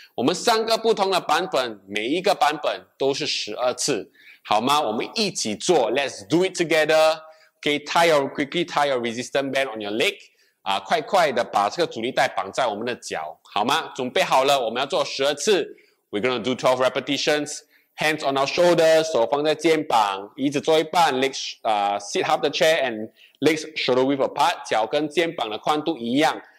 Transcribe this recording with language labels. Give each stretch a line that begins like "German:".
Chinese: 我们三个不同的版本，每一个版本都是12次，好吗？我们一起做 ，
English: Let's do it together. Okay, tie your resistant band on your leg.
Chinese: 快快的把这个阻力带绑在我们的脚，好吗？准备好了，我们要做12次。
English: We're going to do 12 repetitions. Hands on our shoulders,
Chinese: 手放在肩膀，椅子坐一半
English: ，legs sit half the chair and Legs shoulder width apart,
Chinese: 脚跟肩膀的宽度一样。